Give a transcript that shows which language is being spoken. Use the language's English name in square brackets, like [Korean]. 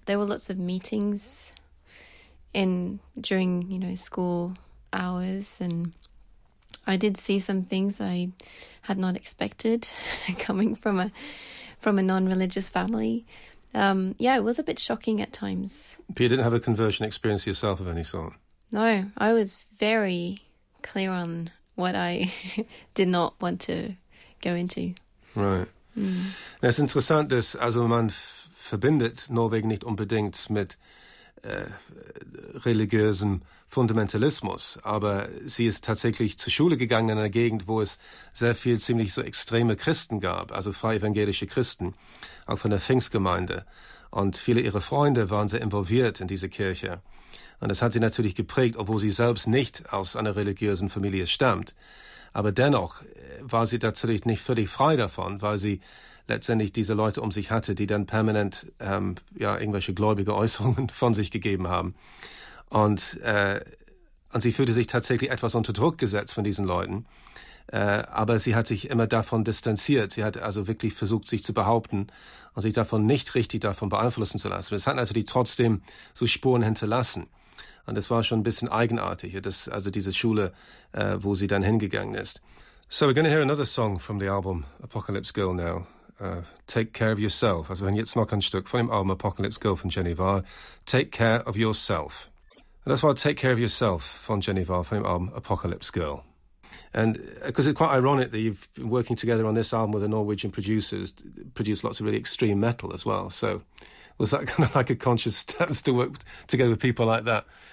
[English] There were lots of meetings during, you know, school hours, and I did see some things I had not expected coming from a non-religious family. Yeah, it was a bit shocking at times. But you didn't have a conversion experience yourself of any sort? No, I was very clear on what I did not want to go into. Right. Mm. [German] Es ist interessant, dass also man verbindet Norwegen nicht unbedingt mit religiösem Fundamentalismus, aber sie ist tatsächlich zur Schule gegangen in einer Gegend, wo es sehr viel ziemlich so extreme Christen gab, also frei evangelische Christen, auch von der Pfingstgemeinde. Und viele ihrer Freunde waren sehr involviert in diese Kirche. Und das hat sie natürlich geprägt, obwohl sie selbst nicht aus einer religiösen Familie stammt. Aber dennoch war sie tatsächlich nicht völlig frei davon, weil sie letztendlich diese Leute um sich hatte, die dann permanent irgendwelche gläubige Äußerungen von sich gegeben haben. Und sie fühlte sich tatsächlich etwas unter Druck gesetzt von diesen Leuten. Aber sie hat sich immer davon distanziert. Sie hat also wirklich versucht, sich zu behaupten und sich davon nicht richtig davon beeinflussen zu lassen. Es hat natürlich trotzdem so Spuren hinterlassen. Und das war schon ein bisschen eigenartig, also diese Schule, wo sie dann hingegangen ist. [English] So we're going to hear another song from the album Apocalypse Girl now. Take Care of Yourself. [German] Also wir hören jetzt noch ein Stück von dem Album Apocalypse Girl von Jenny Varr. [English] Take Care of Yourself. And that's why Take Care of Yourself von Jenny Varr from the album Apocalypse Girl. And because it's quite ironic that you've been working together on this album with a Norwegian producer who's produced lots of really extreme metal as well. So was that kind of like a conscious stance to work together with people like that?